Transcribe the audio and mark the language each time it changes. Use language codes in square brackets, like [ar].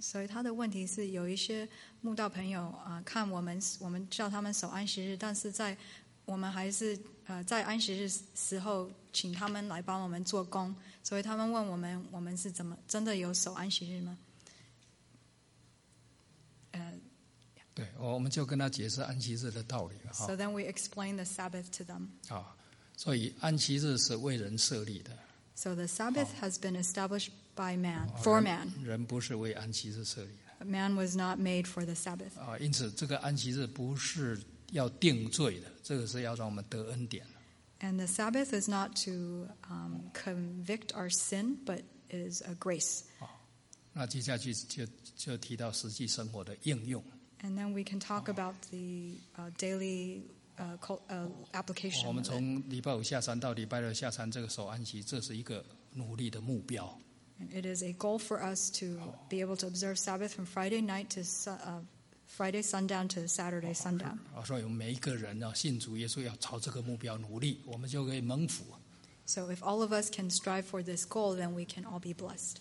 [zh] 所以他的问题是，有一些慕道朋友看我们叫他们守安息日，但是在我们还是在安息日时候请他们来帮我们做工，所以他们问我们是怎么真的有守安息日吗？对，我们就跟他解释安息日的道理。 [en] So then we explain the Sabbath to them. [zh] 所以安息日是为人设立的。 [en] So the Sabbath has been established by man, for man. [zh] 人不是为安息日设立的。 [en] Man was not made for the Sabbath. [zh] 因此这个安息日不是要定罪的，这个是要让我们得恩典。 [en] And the Sabbath is not to convict our sin, but is a grace. [zh] 那接下去 就提到实际生活的应用。 [en] And then we can talk about the daily application. [zh] 我们从礼拜五下山到礼拜六下山，这个守安息，这是一个努力的目标。 [en] It is a goal for us to be able to observe Sabbath from Friday night to Friday sundown to Saturday sundown. [zh] 所以每一个人信主耶稣要朝这个目标努力，我们就可以蒙福。 [en] So if all of us can strive for this goal, then we can all be blessed.